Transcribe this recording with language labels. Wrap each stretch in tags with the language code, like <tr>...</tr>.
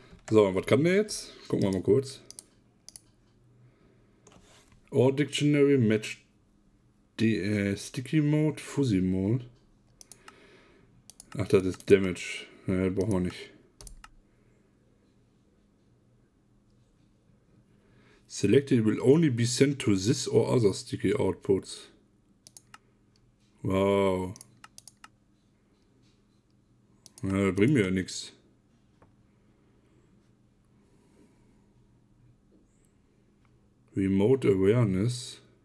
<de>So, was kann der jetzt? Gucken wir mal kurz.</de> <en>Or Dictionary Match Sticky Mode, Fuzzy Mode.</en> <de>Ach, das ist Damage. Ne, das brauchen wir nicht.</de> <en>Selected will only be sent to this or other sticky outputs. Wow.</en> <de>Ja, das bringt mir ja nichts.</de> <en>Remote Awareness.</en>